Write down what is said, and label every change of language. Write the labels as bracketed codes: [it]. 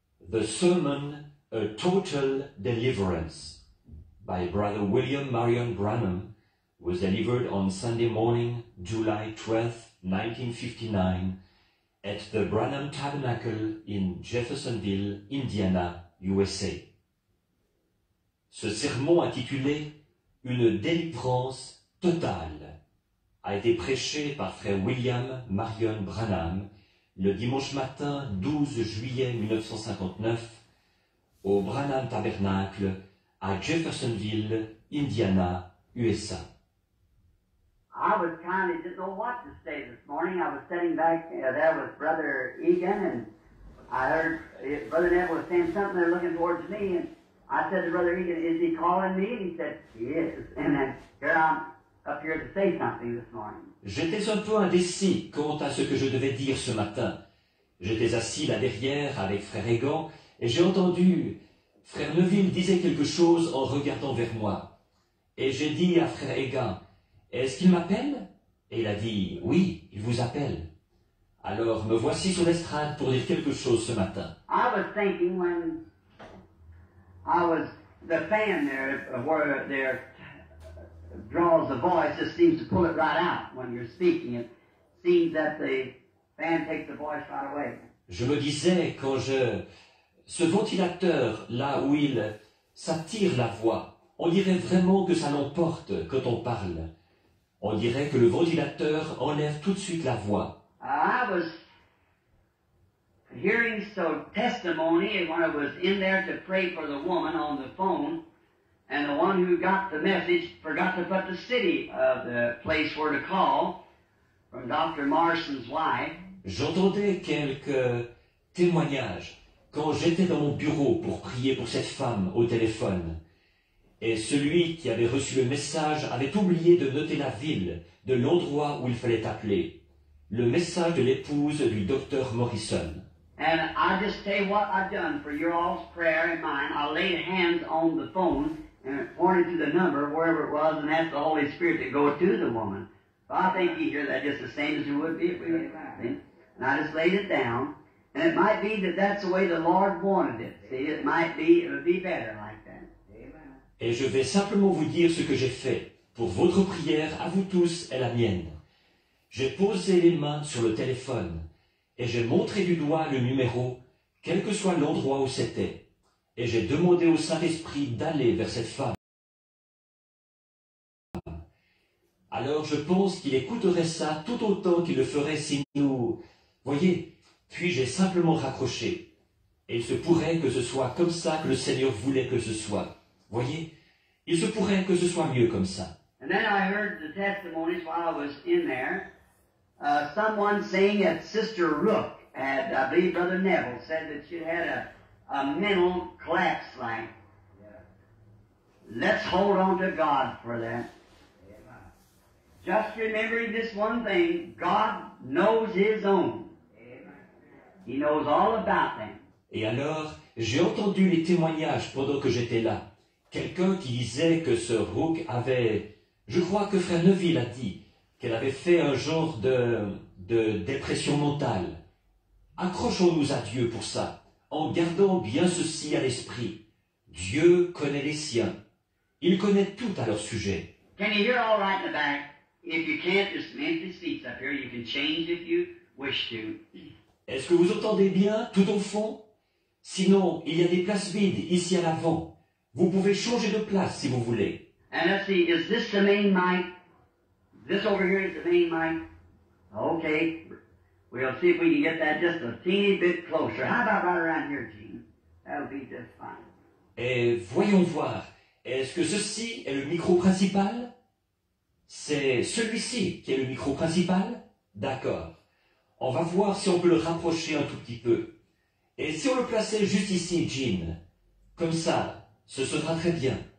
[en] The sermon, A Total Deliverance, by Brother William Marion Branham, was delivered on Sunday morning, July 12, 1959, at the Branham Tabernacle in Jeffersonville, Indiana, USA. [fr] Ce sermon intitulé « Une délivrance totale » a été prêché par Frère William Marion Branham le dimanche matin 12 juillet 1959 au Branham Tabernacle à Jeffersonville, Indiana, USA. [en] I was kind of didn't know what to say this morning. I was sitting back there with Brother Egan, and I heard Brother Neville was saying something. They're looking towards me, and I said to Brother Egan, "Is he calling me?" And he said, "Yes." And then here I'm up here to say something this morning. [fr] J'étais un peu indécis quant à ce que je devais dire ce matin. J'étais assis là derrière avec Frère Egan, et j'ai entendu Frère Neville disait quelque chose en regardant vers moi, et j'ai dit à Frère Egan. Est-ce qu'il m'appelle? Et il a dit, oui, il vous appelle. Alors, me voici sur l'estrade pour dire quelque chose ce matin. [en] I was thinking when I was the fan there, where there draws the voice, just seems to pull it right out when you're speaking. It seems that the fan takes the voice right away. [fr] Je me disais, quand je... Ce ventilateur, là où il s'attire la voix, on dirait vraiment que ça l'emporte quand on parle. On dirait que le ventilateur enlève tout de suite la voix. [en] I was hearing some testimony when I was in there to pray for the woman on the phone, and the one who got the message forgot to put the city of the place where to call from Dr. Marson's wife. [fr] J'entendais quelques témoignages quand j'étais dans mon bureau pour prier pour cette femme au téléphone. Et celui qui avait reçu le message avait oublié de noter la ville, de l'endroit où il fallait appeler. Le message de l'épouse du docteur Morrison. [en] And I just tell you what I've done for your all's prayer and mine. I laid hands on the phone and pointed to the number, wherever it was, and asked the Holy Spirit to go to the woman. So I think he hears that just the same as it would be if we were driving. And I just laid it down. And it might be that that's the way the Lord wanted it. See, it might be, it would be better like that. [fr] Et je vais simplement vous dire ce que j'ai fait pour votre prière à vous tous et la mienne. J'ai posé les mains sur le téléphone et j'ai montré du doigt le numéro, quel que soit l'endroit où c'était. Et j'ai demandé au Saint-Esprit d'aller vers cette femme. Alors je pense qu'il écouterait ça tout autant qu'il le ferait si nous... Voyez, puis j'ai simplement raccroché. Et il se pourrait que ce soit comme ça que le Seigneur voulait que ce soit. Voyez, il se pourrait que ce soit mieux comme ça. [en] And then I heard the testimonies while I was in there. Someone saying that Sister Rook had, I believe Brother Neville said that she had a mental collapse like. Yeah. Let's hold on to God for that. Yeah. Just remembering this one thing, God knows his own. He knows all about them. [fr] Et alors, j'ai entendu les témoignages pendant que j'étais là. Quelqu'un qui disait que Sir Hook avait, je crois que Frère Neville a dit, qu'elle avait fait un genre de dépression mentale. Accrochons-nous à Dieu pour ça, en gardant bien ceci à l'esprit. Dieu connaît les siens. Il connaît tout à leur sujet. [en] Can you hear all right in the back? If you can't, just mend the seats up here. You can change if you wish to. [fr] Est-ce que vous entendez bien tout au fond? Sinon, il y a des places vides ici à l'avant. Vous pouvez changer de place si vous voulez. [en] And let's see, is this the main mic? This over here is the main mic? Okay. We'll see if we can get that just a teeny bit closer. How about right around here, Gene? That'll be just fine. [fr] Et voyons voir. Est-ce que ceci est le micro principal? C'est celui-ci qui est le micro principal? D'accord. On va voir si on peut le rapprocher un tout petit peu. Et si on le plaçait juste ici, Jean, comme ça, ce sera très bien.